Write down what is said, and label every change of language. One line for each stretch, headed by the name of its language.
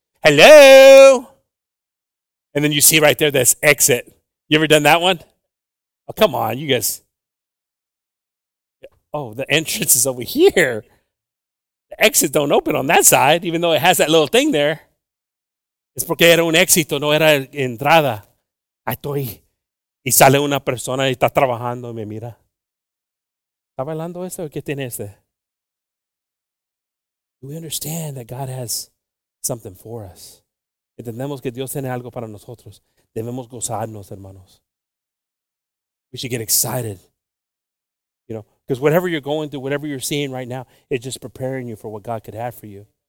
English: Hello. And then you see right there this exit. You ever done that one? Oh, come on, you guys. oh, the entrance is over here. The exit don't open on that side, even though it has that little thing there.
Spanish: Es porque era un éxito, no era entrada. Ahí estoy. Y sale una persona y está trabajando y me mira. ¿Está bailando este o qué tiene este?
English: We understand that God has something for us.
Spanish: Entendemos que Dios tiene algo para nosotros. Debemos gozarnos, hermanos.
English: We should get excited. You know, because whatever you're going through, whatever you're seeing right now, it's just preparing you for what God could have for you.